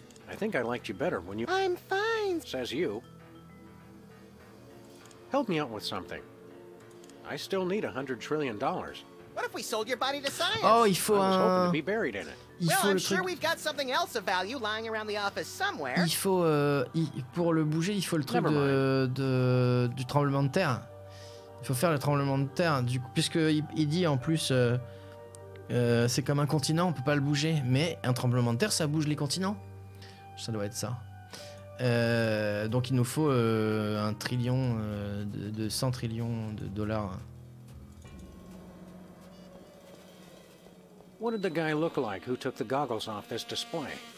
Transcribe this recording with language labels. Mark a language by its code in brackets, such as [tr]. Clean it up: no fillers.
[en] I think I liked you better when you... I'm fine. Says you. Help me out with something. I still need $100 trillion. What if we sold your body to science? [fr] Oh, il faut [en] I was hoping to be buried in it. Well, I'm sure we've got something else of value lying around the office somewhere. [fr] Il faut pour le bouger, il faut le truc du tremblement de terre. Il faut faire le tremblement de terre. Du coup, puisque il dit en plus, c'est comme un continent, on peut pas le bouger. Mais un tremblement de terre, ça bouge les continents. Ça doit être ça. Donc il nous faut un trillion de 100 trillions de dollars. [en] What did the guy look like who took the goggles off this display?